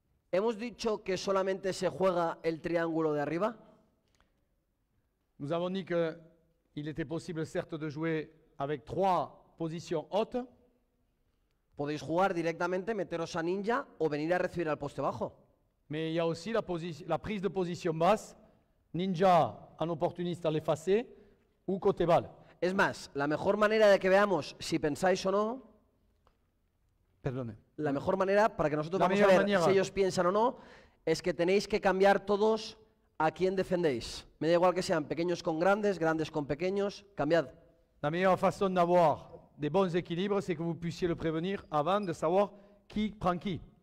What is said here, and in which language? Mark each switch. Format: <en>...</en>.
<es>¿Hemos dicho que solamente se juega el triángulo de arriba?</es> <fr>Nous avons dit qu'il était possible, certes, de jouer avec trois positions hautes.</fr> <es>Podéis jugar directamente, meteros a ninja o venir a recibir al poste bajo.</es> <fr>Mais il y a aussi la, la prise de position basse, ninja en opportuniste à l'effacer ou côté balle.</fr> <es>Es más, la mejor manera de que veamos si pensáis o no. Perdone. La mejor manera para que nosotros vamos a ver manera. Si ellos piensan o no es que tenéis que cambiar todos a quién defendéis. Me da igual que sean pequeños con grandes, grandes con pequeños, cambiad. La mejor</es> <fr>façon d'avoir de bons équilibres, c'est que vous puissiez le prévenir avant de savoir qui prend qui.</fr>